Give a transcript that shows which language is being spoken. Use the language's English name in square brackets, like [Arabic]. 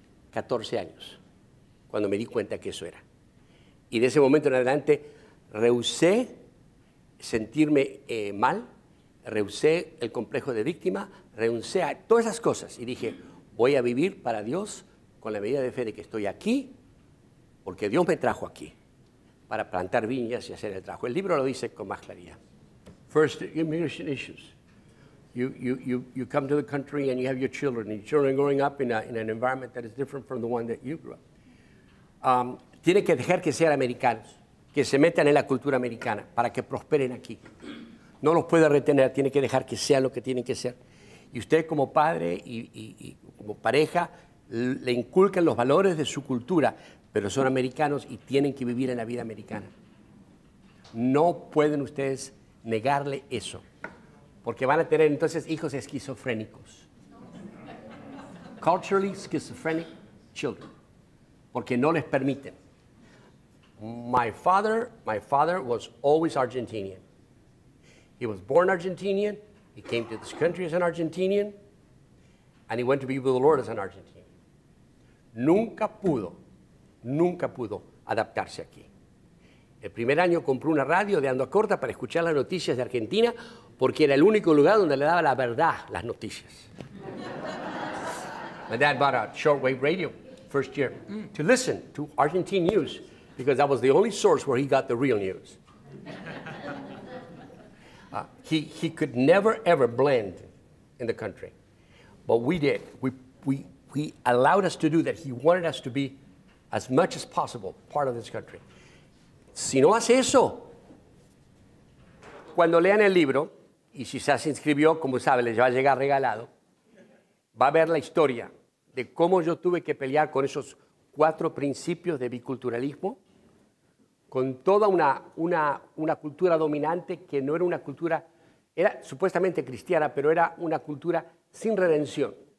[Spanish] 14 años, cuando me di cuenta que eso era. Y de ese momento en adelante, rehusé sentirme mal, rehusé el complejo de víctima, rehusé a todas esas cosas y dije, voy a vivir para Dios con la medida de fe de que estoy aquí, porque Dios me trajo aquí para plantar viñas y hacer el trabajo. El libro lo dice con más claridad. [English] First, immigration issues. You come to the country and you have your children, and your children growing up in an environment that is different from the one that you grew up. [Spanish] Tiene que dejar que sean americanos, que se metan en la cultura americana para que prosperen aquí. No los puede retener, tiene que dejar que sea lo que tienen que ser. Y usted como padre y como pareja le inculcan los valores de su cultura, pero son americanos y tienen que vivir en la vida americana. No pueden ustedes negarle eso, porque van a tener entonces hijos esquizofrénicos. Culturally schizophrenic children, porque no les permiten. [English] My father was always Argentinian. He was born Argentinian, he came to this country as an Argentinian, and he went to be with the Lord as an Argentinian. [Spanish] Nunca pudo adaptarse aquí. El primer año compró una radio de onda corta para escuchar las noticias de Argentina, porque era el único lugar donde le daba la verdad las noticias. [English] My dad bought a shortwave radio first year to listen to Argentine news, because that was the only source where he got the real news. He could never ever blend in the country, but we did. We allowed us to do that. He wanted us to be as much as possible part of this country. [Spanish] Si no hace eso, cuando lean el libro, y si se inscribió, como sabe, les va a llegar regalado, va a ver la historia de cómo yo tuve que pelear con esos cuatro principios de biculturalismo, con toda una cultura dominante que no era una cultura, era supuestamente cristiana, pero era una cultura sin redención.